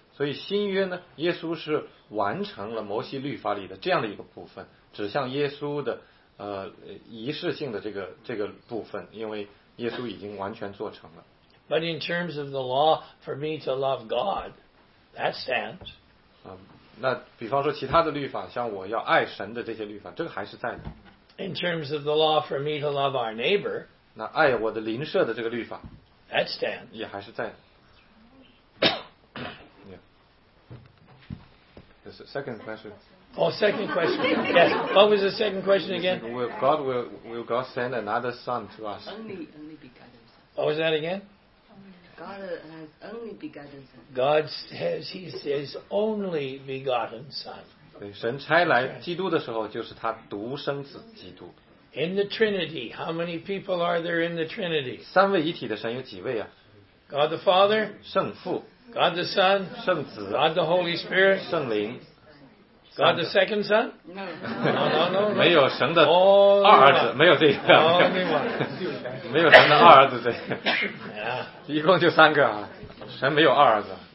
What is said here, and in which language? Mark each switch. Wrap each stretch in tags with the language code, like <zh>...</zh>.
<zh>所以新约呢，耶稣是完成了摩西律法里的这样的一个部分，指向耶稣的仪式性的这个部分，因为耶稣已经完全做成了。</zh> <en>But in terms of the law for me to love God, that stands.</en> <zh>那比方说其他的律法，像我要爱神的这些律法，这个还是在的。</zh> <en>In terms of the law for me to love our neighbor,</en> <zh>那爱我的邻舍的这个律法，</zh> <en>that stands.</en> <zh>也还是在的。</zh> <en>Second question. Oh, second question. Yes. What was the second question again? Will God send another son to us? Only begotten son. What was that again? God has only begotten son. God has, he says, only begotten son.</en> <zh>对，神差来基督的时候，就是他独生子基督。</zh> <en>In the Trinity, how many people are there in the Trinity?</en> <zh>三位一体的神有几位啊？</zh> <en>God the Father.</en> <zh>圣父。</zh> <en>God the Son,</en> <zh>圣子</zh> <en>God the Holy Spirit,</en> <zh>圣灵</zh> <en>God the Second Son, no.</en> <zh>没有神的二儿子，没有这个，没有神的二儿子这个，一共就三个啊，神没有二儿子。</zh>